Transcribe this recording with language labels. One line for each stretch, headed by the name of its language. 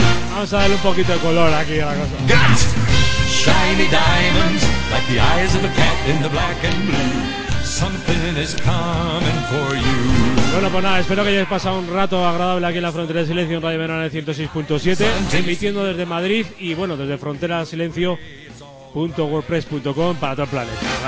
Spanish: vamos a darle un poquito de color aquí a la cosa.
English: Got shiny diamonds like the eyes of a cat in the black and blue. Something is coming for you.
Spanish: Bueno, pues nada, espero que hayáis pasado un rato agradable aquí en la Frontera del Silencio, en Radio Verona 106.7, emitiendo desde Madrid y, bueno, desde Frontera del Silencio .wordpress.com para todo el planeta.